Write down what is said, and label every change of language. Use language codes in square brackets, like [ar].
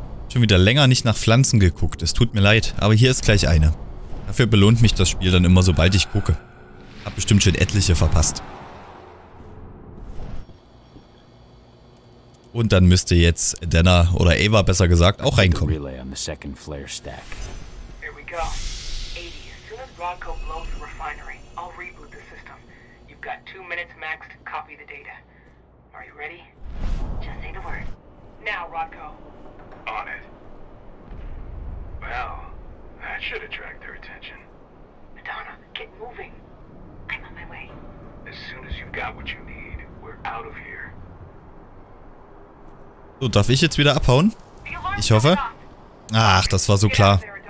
[de] Schon wieder länger nicht nach Pflanzen geguckt. Es tut mir leid, aber hier ist gleich eine. Dafür belohnt mich das Spiel dann immer, sobald ich gucke. Hab bestimmt schon etliche verpasst. Und dann müsste jetzt Denner oder Ava besser gesagt auch reinkommen. [en] Relay on the second flare stack. Here we go. 80, as soon as Rodko blows the refinery, I'll reboot the system. You've got 2 minutes max to copy the data. Are you ready? Just say the word. Now, Rodko. On it. Well, that should attract their attention. Madonna, get moving. I'm on my way. As soon as you've got what you need, we're out of here. [de] So, darf ich jetzt wieder abhauen? Ich hoffe. Ach, das war so klar.